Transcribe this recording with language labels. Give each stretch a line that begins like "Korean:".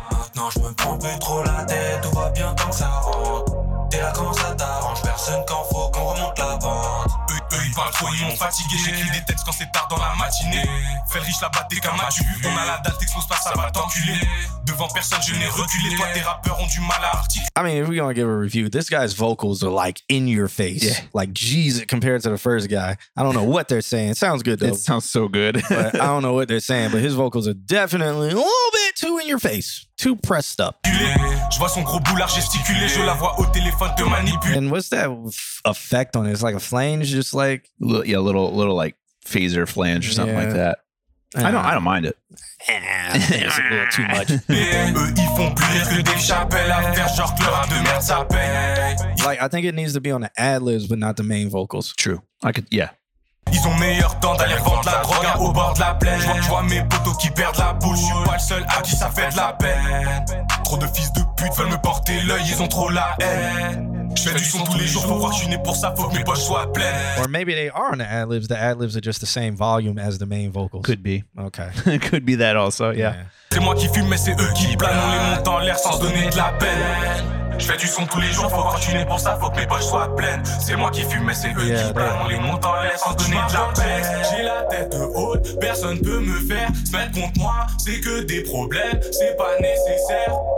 French: Maintenant j'me prends plus trop la tête, tout va bien tant que ça rentre. T'es là quand ça t'arrange, personne quand faut qu'on remonte la vente. Eux ils parlent trop, ils m'ont fatigué. J'écris des textes quand c'est tard dans la matinée. Fais le riche là-bas, t'es qu'un matu. On a la date, t'exposes pas, ça va t'enculer. Devant personne, je n'ai reculé. Toi, tes rappeurs ont du mal à articuler.
English: I mean, if we gonna give a review, this guy's vocals are like in your face. Yeah. Like, Jesus, compared to the first guy. I don't know what they're saying. Sounds good though. It sounds so good. But I don't know what they're saying, but his vocals are definitely a little bit too in your face. Too pressed up.
French: Je vois son gros boulard gesticulé. Je la vois au téléphone te manipuler.
English: And what's that effect on it? It's like a flange, just like yeah, little like phaser flange or something like that. I don't mind it. It's a little too much.
French: Ils font plus rire que Dave Chappelle à faire genre que le rap de merde ça paye.
English: Like I think it needs to be on the ad libs, but not the main vocals. True. I could yeah.
French: Ils ont meilleur temps d'aller vendre la drogue au bord de la plaine. Je vois mes potos qui perdent la boule. Je suis pas le seul à qui ça fait de la peine. Trop de fils de pute veulent me porter l'œil. Ils ont trop la haine.
English: Or maybe they are on the ad libs. The ad libs are just the same volume as the main vocals. Could be. Okay. Could be that also. Yeah.
French: C'est moi qui fume, mais c'est eux qui planent. On les monte en l'air sans donner de la peine. Je fais du son tous les jours, faut fortuner pour ça, faut que mes poches soient pleines. C'est moi qui fume, mais c'est eux qui planent. On les monte en l'air sans donner de la peine. J'ai la tête haute, personne peut me faire. Se mettre contre moi, c'est que des problèmes, c'est pas nécessaire.